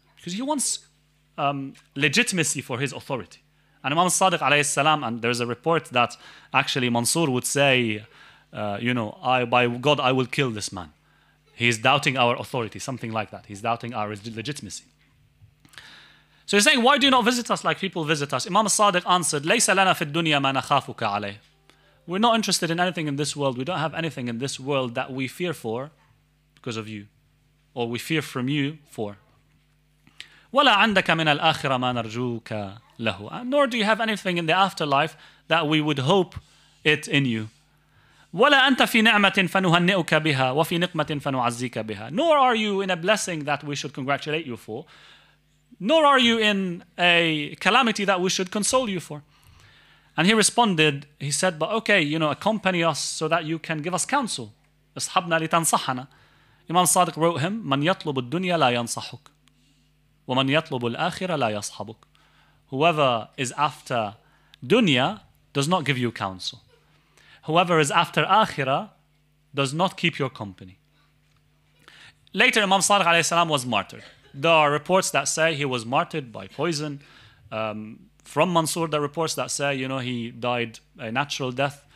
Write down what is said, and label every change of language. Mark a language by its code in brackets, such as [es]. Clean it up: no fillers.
[en] Because he wants legitimacy for his authority. And Imam Sadiq alayhi salam, and there's a report that actually Mansur would say, you know, by God, I will kill this man. He's doubting our authority, something like that. He's doubting our legitimacy. So he's saying, why do you not visit us like people visit us? Imam Sadiq answered, [ar] لَيْسَ لَنَا فِي الدُّنْيَا مَا نَخَافُكَ عَلَيْهِ. [en] We're not interested in anything in this world. We don't have anything in this world that we fear for because of you. or we fear from you for. [ar] وَلَا عَنْدَكَ مِنَ الْآخِرَةِ مَا نَرْجُوكَ لَهُ. [en] Nor do you have anything in the afterlife that we would hope it in you. [ar] وَلَا أَنْتَ فِي نِعْمَةٍ فَنُهَنِّئُكَ بِهَا وَفِي نِقْمَةٍ فَنُعَزِّيكَ بِهَا. [en] Nor are you in a blessing that we should congratulate you for. Nor are you in a calamity that we should console you for. And he responded, he said, but okay, you know, accompany us so that you can give us counsel. [ar] أَصْحَبْنَا لِتَنْصَحَنَا. [en] Imam Sadiq wrote him, [ar] مَنْ يَطْلُبُ الدُّنْيَا لَا يَنْصَحُكَ وَمَنْ يَطْلُبُ الْآخِرَةَ لَا يَصْحَبُكَ. [en] Whoever is after dunya does not give you counsel. Whoever is after akhira does not keep your company. Later, Imam Sadiq alayhi salam was martyred. There are reports that say he was martyred by poison. From Mansur, there are reports that say, you know, he died a natural death.